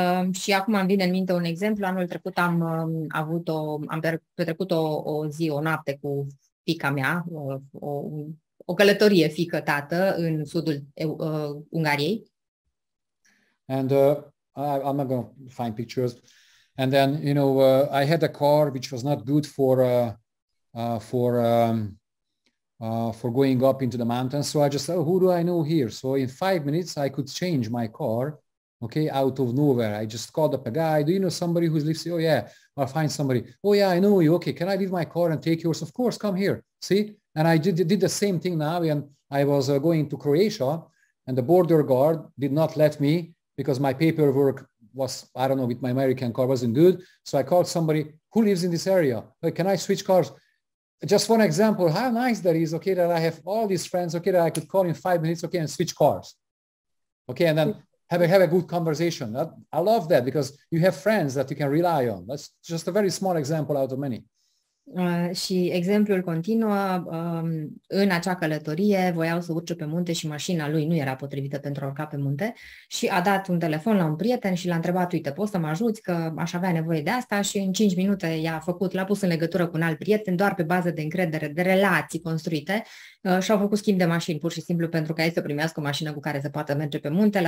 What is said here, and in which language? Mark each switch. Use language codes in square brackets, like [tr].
[ro] Și acum îmi vine în minte un exemplu. Anul trecut am petrecut o zi, o noapte cu fica mea, o călătorie fică-tată în sudul Ungariei. [en] And I'm not going to find pictures. And then, you know, I had a car which was not good for going up into the mountains. So I just said, oh, who do I know here? So in 5 minutes, I could change my car. Okay, out of nowhere, I just called up a guy. Do you know somebody who lives here? Oh yeah, I'll find somebody. Oh yeah, I know you. Okay, can I leave my car and take yours? Of course, come here. See, and I did the same thing now. And I was going to Croatia, and the border guard did not let me because my paperwork was, I don't know, with my American car wasn't good. So I called somebody who lives in this area. Like, can I switch cars? Just one example. How nice that is. Okay, that I have all these friends. Okay, that I could call in 5 minutes. Okay, and switch cars. Okay, and then. Have a good conversation. I love that because you have friends that you can rely on. That's just a very small example out of many. [ro] Și exemplul continuă. În acea călătorie voiau să urce pe munte și mașina lui nu era potrivită pentru a urca pe munte și a dat un telefon la un prieten și l-a întrebat, uite, poți să mă ajuți că aș avea nevoie de asta și în 5 minute l-a pus în legătură cu un alt prieten doar pe bază de încredere, de relații construite și au făcut schimb de mașini pur și simplu pentru ca ei să primească o mașină cu care să poată merge pe munte.